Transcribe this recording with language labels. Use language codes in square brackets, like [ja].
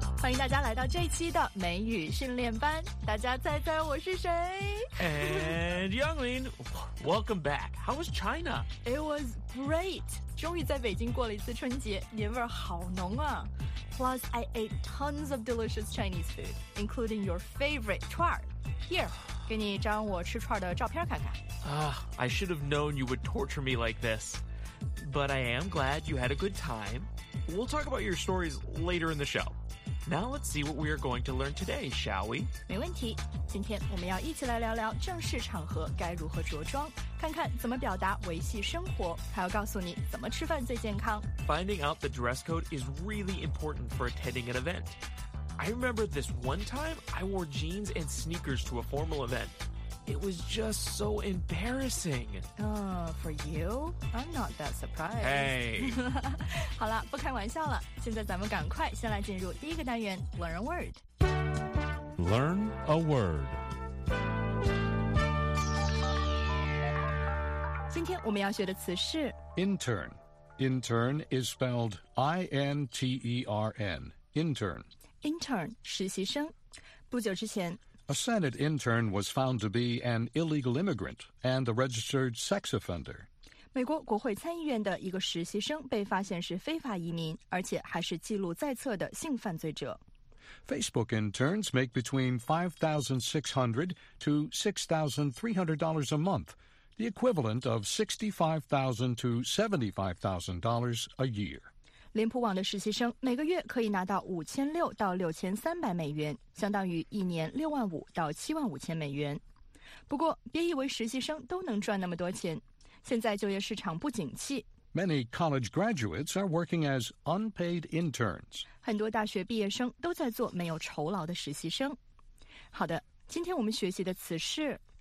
[zh] 迎大家来到这期的美语训练班。大家猜猜我是谁 [en] ？And Yanglin, welcome back. How was China? It was great. [zh] 终于在北京过了一次春节，年味好浓啊。 [en] Plus, I ate tons of delicious Chinese food, including your favorite 串儿。 Here, [zh] 给你一张我吃串的照片看看。 [en] I should have known you would torture me like this. But I am glad you had a good time. We'll talk about your stories later in the show. Now let's see what we are going to learn today, shall we? [zh] 没问题。今天我们要一起来聊聊正式场合该如何着装，看看怎么表达维系生活，还要告诉你怎么吃饭最健康。 [en] Finding out the dress code is really important for attending an event. I remember this one time I wore jeans and sneakers to a formal event. It was just so embarrassing. For you? I'm not that surprised. Hey! [zh] 好了，不开玩笑了。现在咱们赶快先来进入第一个单元 [en] Learn a Word. Learn a Word. [zh] 今天我们要学的词是 [en] Intern. Intern is spelled I-N-T-E-R-N. Intern. [zh] Intern, 实习生。不久之前， [en] A Senate intern was found to be an illegal immigrant and a registered sex offender. [zh] 美国国会参议院的一个实习生被发现是非法移民，而且还是记录在册的性犯罪者。 [en] Facebook interns make between $5,600 to $6,300 a month, the equivalent of $65,000 to $75,000 a year. [zh] 脸谱网的实习生每个月可以拿到$5,600 to $6,300，相当于一年$65,000 to $75,000。不过，别以为实习生都能赚那么多钱。现在就业市场不景气。 [en] Many college graduates are working as unpaid interns. [zh] 很多大学毕业生都在做没有酬劳的实习生。好的，今天我们学习的词是